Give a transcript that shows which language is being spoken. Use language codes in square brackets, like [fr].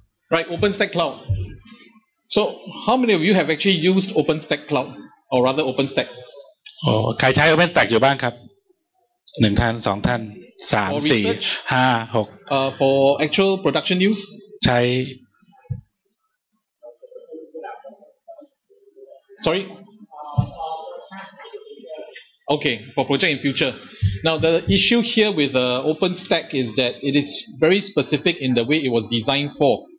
[en] right OpenStack Cloud so how many of you have actually used OpenStack Cloud or rather OpenStack [th] โอ้ใครใช้ OpenStack อยู่บ้างครับ1ท่าน2ท่าน3 4 5 6 [en] for actual production use [th] ใช้ [en] sorry okay for project in future now the issue here with OpenStack is that it is very specific in the way it was designed for